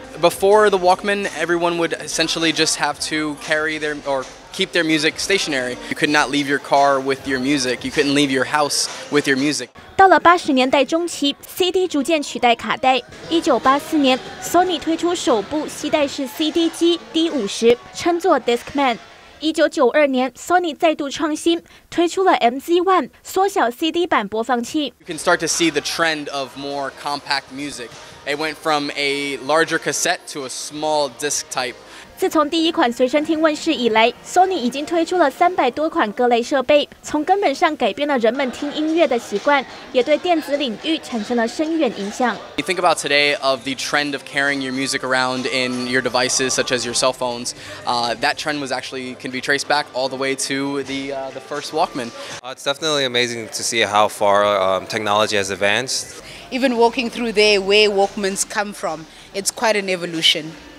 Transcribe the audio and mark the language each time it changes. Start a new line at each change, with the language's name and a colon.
English: Before the Walkman, everyone would essentially just have to carry their or keep their music stationary. You could not leave your car with your music. You couldn't leave your house with your music.
Chinese: 到了80年代中期 ，CD 逐渐取代卡带。 1984年 ，Sony 推出首部携带式 CD 机 D50， 称作 Discman。 1992年 ，Sony 再度创新，推出了 MZ1 缩小 CD 版播放器。
English: You can start to see the trend of more compact music. It went from a larger cassette to a small disc type.
Chinese: 自从第一款随身听问世以来 ，Sony 已经推出了300多款各类设备，从根本上改变了人们听音乐的习惯，也对电子领域产生了深远影响。
English: You think about today of the trend of carrying your music around in your devices, such as your cell phones. That trend was actually can be traced back all the way to the first Walkman. It's definitely amazing to see how far technology has advanced. Even walking through there, where Walkmans come from, it's quite an evolution.